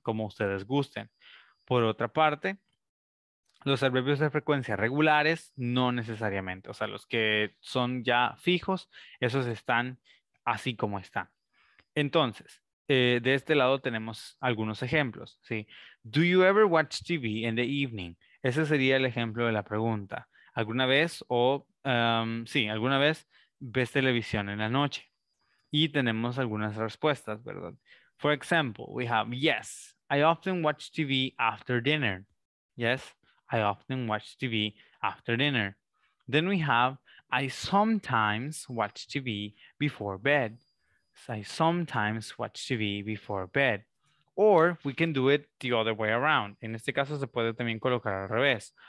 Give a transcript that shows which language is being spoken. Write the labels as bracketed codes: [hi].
[es] Como ustedes gusten. Por otra parte, los adverbios de frecuencia regulares, no necesariamente. O sea, los que son ya fijos, esos están así como están. Entonces, de este lado tenemos algunos ejemplos, ¿sí? [en] Do you ever watch TV in the evening? [es] Ese sería el ejemplo de la pregunta. ¿Alguna vez o, sí, alguna vez ves televisión en la noche? Y tenemos algunas respuestas, ¿verdad? [en] For example, we have, yes, I often watch TV after dinner. Yes, I often watch TV after dinner. Then we have, I sometimes watch TV before bed. I sometimes watch TV before bed. Or we can do it the other way around. [es] En este caso se puede también colocar al revés.